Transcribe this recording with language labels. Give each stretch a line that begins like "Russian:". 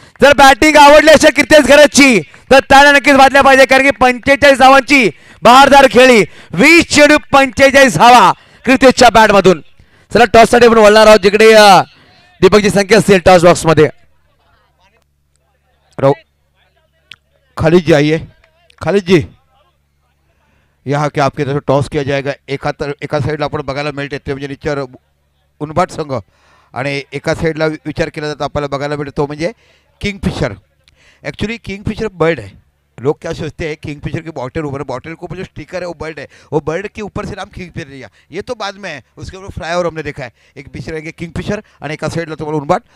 Marathi: जर बॅटिंग आवडली अशा क्रितेश घरेची तर त्याला नक्कीच वाजल्या पाहिजे. कारण की 45 धावांची बहारदार खेळी. 20 चेंडू 45 धावा क्रितेशच्या बॅट मधून. चला टॉस साठी आपण वळणार आहोत जिकडे दीपकची संख्या असेल टॉस बॉक्स मध्ये.
Hindi: खालिद जी आइए. खालिद जी यहाँ के आपके तरफ टॉस किया जाएगा.
Marathi: एका साइड आपण बघायला मिळते ते म्हणजे निचर उनबाट संघ. आणि एका साइडला विचार केला जातो आपल्याला बघायला मिळतो तो म्हणजे किंगफिशर. ॲक्च्युली किंगफिशर बर्ड आहे.
Hindi: लोक क्या सोचते हैं किंगफिशर की बॉटल ऊपर है. बॉटल के ऊपर जो स्टिकर है वो बर्ड है. वो बर्ड के ऊपर से नाम किंगफिशर लिया. ये तो बाद में है. उसके ऊपर फ्लायर हमने देखा है. एक पिक्चर है किंगफिशर और एक साइड ला तुम्हारा उनबाट.